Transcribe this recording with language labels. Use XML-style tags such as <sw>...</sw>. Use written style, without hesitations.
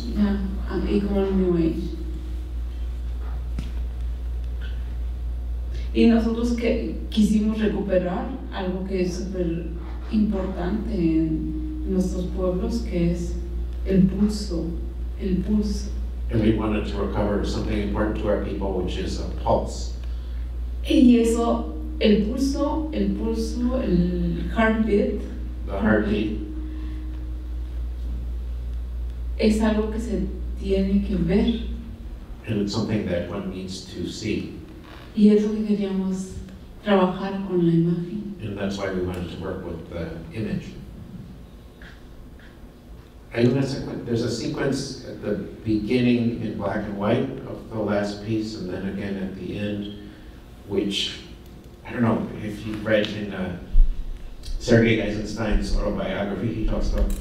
<en>Yeah, and equal New Age.</en> <es>Y nosotros que quisimos recuperar algo que es súper importante en nuestros pueblos, que es el pulso, el pulso.</es> <en>And we wanted to recover something important to our people, which is a pulse.</en> <es>Y eso, el pulso, el heartbeat.</es> <en>The heartbeat.</en> <es>Es algo que se tiene que ver.</es> <en>And it's something that one needs to see.</en> <es>Y es lo que queríamos trabajar con la imagen.</es> <en>And that's why we wanted to work with the image.</en> <es>Hay una</es> <en>there's a sequence at the beginning in black and white of the last piece, and then again at the end, which, I don't know, if you've read in Sergei Eisenstein's autobiography, he talks about.</en>